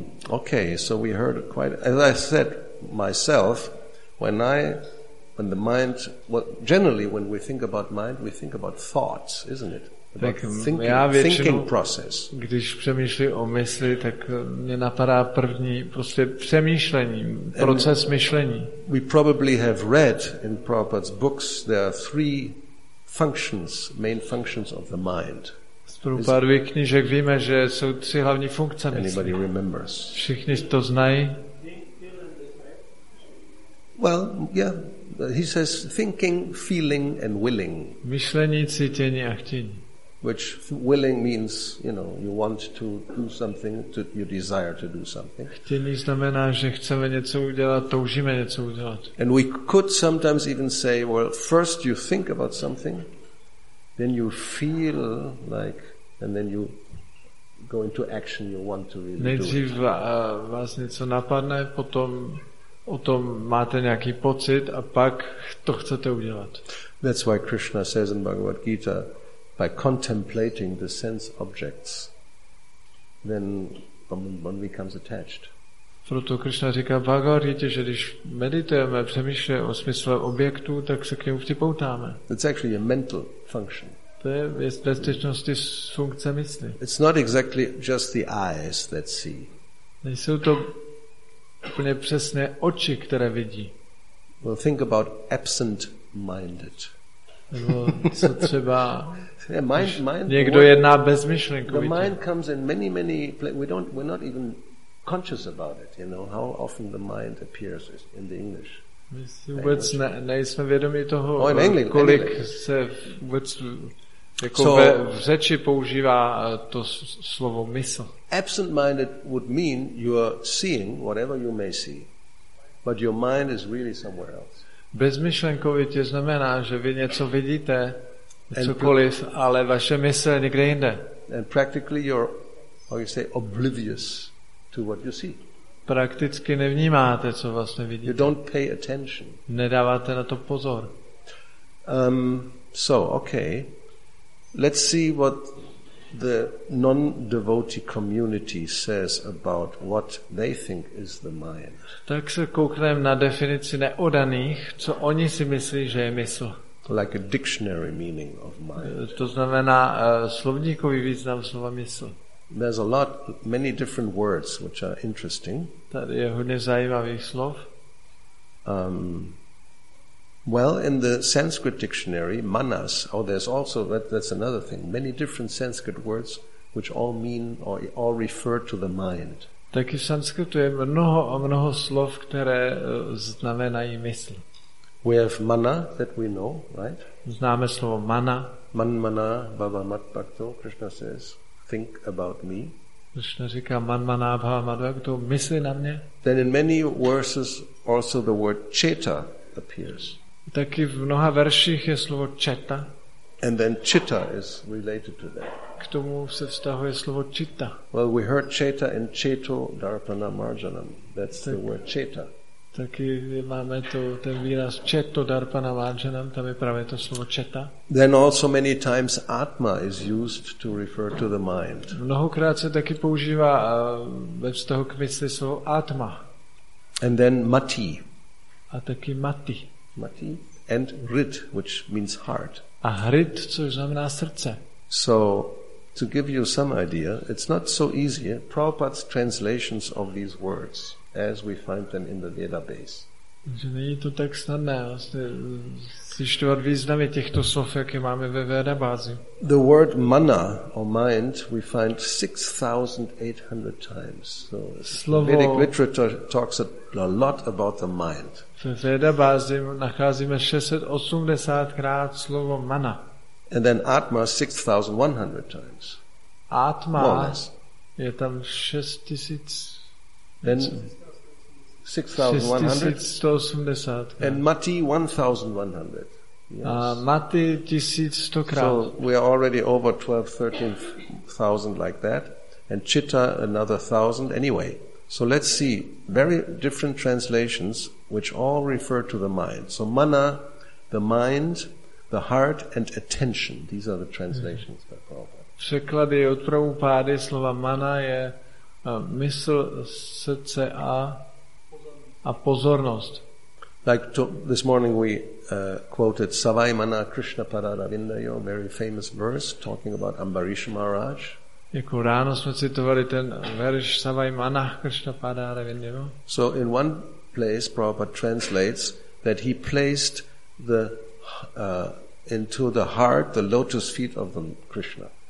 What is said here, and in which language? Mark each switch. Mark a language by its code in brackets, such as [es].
[en] Okay, so we heard quite, as I said myself, generally when we think about mind, we think about thoughts, isn't it? Thinking process. [cs] Když přemýšlím o mysli, tak mě napadá první prostě přemýšlení, proces myšlení. [en] We probably have read in Prabhupada's books there are three functions, main functions of the mind. [cs] Pro pár knížek víme, že jsou tři hlavní funkce mysli. [en] Anybody remembers? [cs] Všichni to znají. [en] Well, yeah, he says thinking, feeling and willing. [cs] Myšlení, cítění a chtění. [en] Which willing means, you know, you want to do something, you desire to do something. [cs] Chtění znamená, že chceme něco udělat, toužíme něco udělat. [en] And we could sometimes even say, well, first you think about something, then you feel like, and then you go into action, you want to really [cs] nejdřív [en] do it. [cs] Vás něco napadne, potom o tom máte nějaký pocit a pak to chcete udělat. [en] That's why Krishna says in Bhagavad Gita, by contemplating the sense objects, then one becomes attached. [cs] Proto Krishna říká v Bhagavad Gita, že když meditujeme, přemýšlíme o smysle objektu, tak se k němu připoutáme. [en] It's actually a mental function. [cs] To je ve skutečnosti funkce mysli. [en] It's not exactly just the eyes that see. [cs] Nejsou to úplně přesné oči, které vidí. [en] Well, think about absent-minded. [cs] Nebo co třeba mind, někdo jedná bezmyšlenkovitě. [en] The mind comes in many we're not even conscious about it, you know, how often the mind appears in the English. [cs] My si vůbec nejsme vědomi toho, kolik se vůbec jako so, v řeči používá to slovo mysl. [en] Absent-minded would mean you are seeing whatever you may see, but your mind is really somewhere else. [cs] Bezmyšlenkovitě znamená, že vy něco vidíte, cokoliv, ale vaše mysl je někde jinde. [en] And practically you're, how you say, oblivious to what you see. [cs] Prakticky nevnímáte, co vlastně vidíte. [en] You don't pay attention. [cs] Nedáváte na to pozor. [en] So, okay. Let's see what the non-devotee community says about what they think is the mind. [cs] Tak se koukneme na definici neodaných, co oni si myslí, že je mysl. [en] Like a dictionary meaning of mind. [cs] To znamená slovníkový význam slova mysl. [en] There's a lot, many different words which are interesting. [cs] Tady je hodně zajímavých slov. [en] Well, in the Sanskrit dictionary, manas, oh, there's also, that's another thing, many different Sanskrit words which all mean or all refer to the mind. [cs] Taky v sanskritu je mnoho a mnoho slov, které znamenají mysl. [en] We have mana that we know, right? [cs] Známe slovo mana. [sa] Man mana, bhava mat bhakto, [en] Krishna says, think about me. [cs] Krishna říká [sa] man mana, bhava mat bhakto, [cs] mysli na mě. [en] Then in many verses also the word cheta appears. [cs] Taky v mnoha verších je slovo četa. [en] And then chitta is related to that. [cs] K tomu se vztahuje slovo chitta. [en] Well, we heard cheta in [sa] cheto darpana marjanam. [en] That's the word cheta. [cs] Taky máme to, ten výraz [sa] četo darpana marjanam, [cs] tam je právě to slovo četa. [en] Then also many times atma is used to refer to the mind. [cs] Mnohokrát se taky používá ve vztahu k mysli slovo atma. [en] And then mati. [cs] A taky mati. [en] Mati and rit, which means heart. [cs] A hrit, což znamená srdce. [en] So, to give you some idea, it's not so easy. Prabhupada's translations of these words, as we find them in the Veda base. [cs] Že není to tak snadné, zjišťovat významy těchto slov, jaké máme ve Veda bázi. [en] The word mana or mind, we find 6,800 times. So, [cs] slovo [en] Vedic literature talks a lot about the mind. [cs] Ve Veda bázi nacházíme 680krát slovo mana. [en] And then atma 6,100 times. [cs] Atma je tam 6,000. [en] Then 6,100 and mati 1,100. Yes. So we are already over 12,000-13,000 like that, and chitta another 1,000 anyway. So let's see very different translations which all refer to the mind. So mana, the mind, the heart, and attention. These are the translations by Prabhupada. [cs] Překlady od Prabhupády slova mana je mysl, srdce a pozornost. [en] Like this morning we quoted [sa] Savai Mana Krishna Pararavindayo, [en] a very famous verse talking about Ambarish Maharaj. [cs] Jako ráno jsme citovali ten verš [sa] Savai Mana Krishna Pararavindayo. [en] So in one place Prabhupada translates that he placed the into the heart the lotus feet of the Krishna.